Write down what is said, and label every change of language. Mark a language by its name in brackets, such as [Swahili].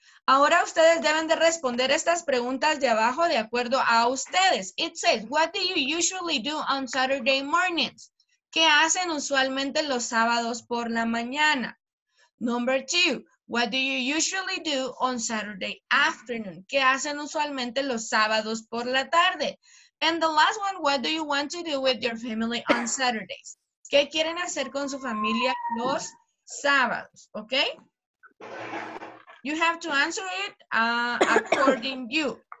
[Spanish] Ahora ustedes deben de responder estas preguntas de abajo de acuerdo a ustedes. [English] It says, what do you usually do on Saturday mornings? [Spanish] ¿Qué hacen usualmente los sábados por la mañana? [English] Number two, what do you usually do on Saturday afternoon? [Spanish] ¿Qué hacen usualmente los sábados por la tarde? [English] And the last one, what do you want to do with your family on Saturdays? [Spanish] ¿Qué quieren hacer con su familia los sábados? [English] Okay? You have to answer it according to you.